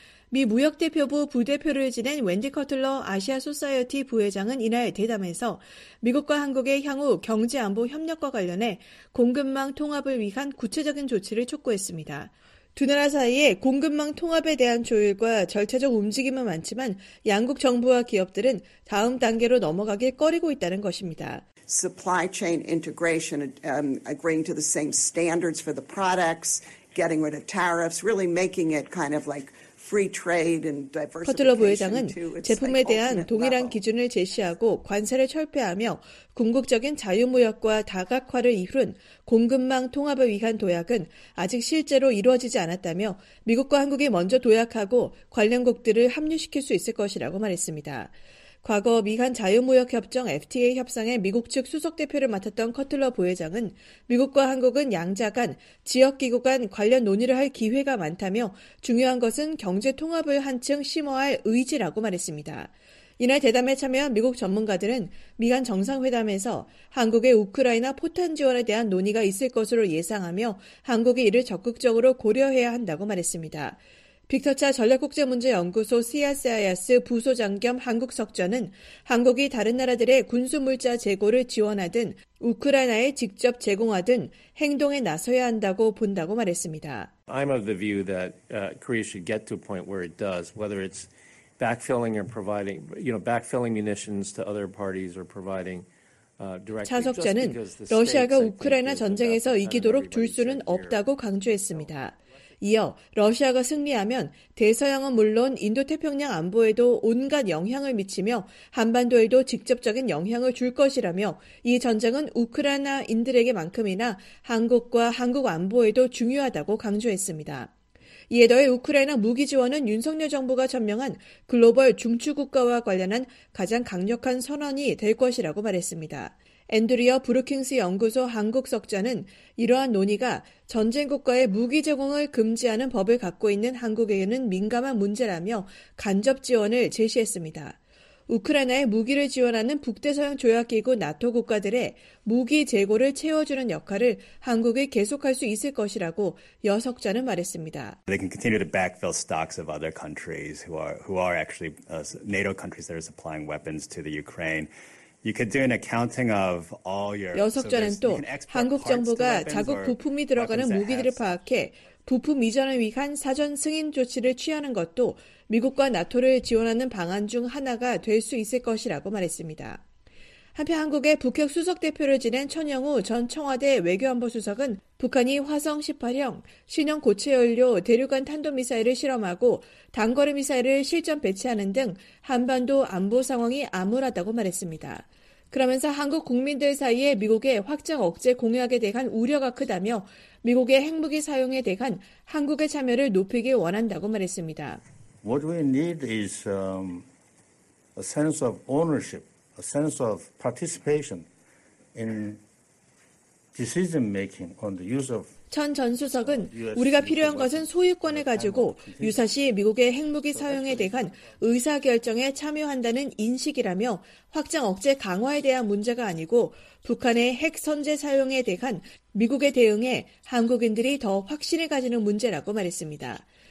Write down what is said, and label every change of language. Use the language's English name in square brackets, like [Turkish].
[Korean] 미 무역대표부 부대표를 지낸 웬디 커틀러 아시아 소사이어티 부회장은 이날 대담에서 미국과 한국의 향후 경제안보 협력과 관련해 공급망 통합을 위한 구체적인 조치를 촉구했습니다. 두 나라 사이에 공급망 통합에 대한 조율과 절차적 움직임은 많지만 양국 정부와 기업들은 다음 단계로 넘어가길 꺼리고 있다는 것입니다. [English] Supply chain integration, agreeing to the same standards for the products, getting rid of tariffs, really making it kind of like free trade and diversification. [Korean] 커틀러 부회장은 제품에 대한 동일한 기준을 제시하고 관세를 철폐하며 궁극적인 자유무역과 다각화를 이룬 공급망 통합을 위한 도약은 아직 실제로 이루어지지 않았다며 미국과 한국이 먼저 도약하고 관련국들을 합류시킬 수 있을 것이라고 말했습니다. 과거 미한 자유무역협정 FTA 협상에 미국 측 수석대표를 맡았던 커틀러 부회장은 미국과 한국은 양자 간, 지역기구 간 관련 논의를 할 기회가 많다며 중요한 것은 경제통합을 한층 심화할 의지라고 말했습니다. 이날 대담에 참여한 미국 전문가들은 미한 정상회담에서 한국의 우크라이나 포탄 지원에 대한 논의가 있을 것으로 예상하며 한국이 이를 적극적으로 고려해야 한다고 말했습니다. 빅터차 전략국제문제연구소 CSIS 부소장 겸 한국석좌는 한국이 다른 나라들의 군수물자 재고를 지원하든 우크라이나에 직접 제공하든 행동에 나서야 한다고 본다고 말했습니다. [English] I'm of the view that Korea should get to a point where it does, whether it's backfilling or providing, you know, backfilling munitions to other parties or providing. [Korean] 차석자는 러시아가 우크라이나 전쟁에서 이기도록 둘 수는 없다고 강조했습니다. 이어 러시아가 승리하면 대서양은 물론 인도태평양 안보에도 온갖 영향을 미치며 한반도에도 직접적인 영향을 줄 것이라며 이 전쟁은 우크라이나인들에게만큼이나 한국과 한국 안보에도 중요하다고 강조했습니다. 이에 더해 우크라이나 무기 지원은 윤석열 정부가 천명한 글로벌 중추국가와 관련한 가장 강력한 선언이 될 것이라고 말했습니다. 앤드리어 브루킹스 연구소 한국 석좌는 이러한 논의가 전쟁 국가의 무기 제공을 금지하는 법을 갖고 있는 한국에게는 민감한 문제라며 간접 지원을 제시했습니다. 우크라이나에 무기를 지원하는 북대서양 조약기구 나토 국가들의 무기 재고를 채워주는 역할을 한국이 계속할 수 있을 것이라고 여석자는 말했습니다. [English] They can continue to backfill stocks of other countries who are actually NATO countries that are supplying weapons to the Ukraine. You could do an accounting of all your. [Korean] 여석자는 또 한국 정부가 자국 부품이 들어가는 무기들을 파악해 부품 이전을 위한 사전 승인 조치를 취하는 것도 미국과 나토를 지원하는 방안 중 하나가 될 수 있을 것이라고 말했습니다. 한편 한국의 북핵 수석 대표를 지낸 천영우 전 청와대 외교안보수석은 북한이 화성 18형 신형 고체연료 대륙간 탄도미사일을 실험하고 단거리 미사일을 실전 배치하는 등 한반도 안보 상황이 암울하다고 말했습니다. 그러면서 한국 국민들 사이에 미국의 확장 억제 공약에 대한 우려가 크다며 미국의 핵무기 사용에 대한 한국의 참여를 높이길 원한다고 말했습니다. [English] What we need is a sense of ownership, a sense of participation in decision making on the use of. [Korean] 천 전 수석은 우리가 필요한 것은 소유권을 가지고 유사시 미국의 핵무기 사용에 대한 의사결정에 참여한다는 인식이라며 확장 억제 강화에 대한 문제가 아니고 북한의 핵선제 사용에 대한 미국의 대응에 한국인들이 더 확신을 가지는 문제라고 말했습니다.